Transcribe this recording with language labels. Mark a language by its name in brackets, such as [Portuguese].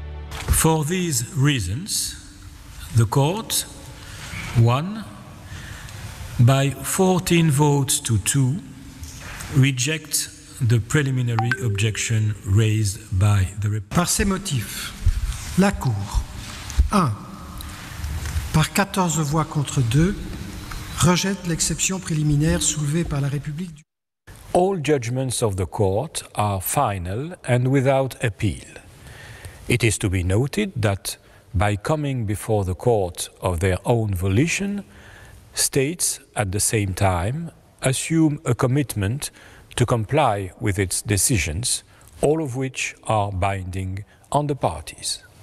[English] For these reasons, the court, 1, by 14 votes to 2, rejects the preliminary objection raised by the [French] Par ces motifs, la cour, 1, par 14 voix contre 2, rejette l'exception préliminaire soulevée par la République. [English] All judgments of the court are final and without appeal. It is to be noted that by coming before the court of their own volition, states at the same time assume a commitment to comply with its decisions, all of which are binding on the parties.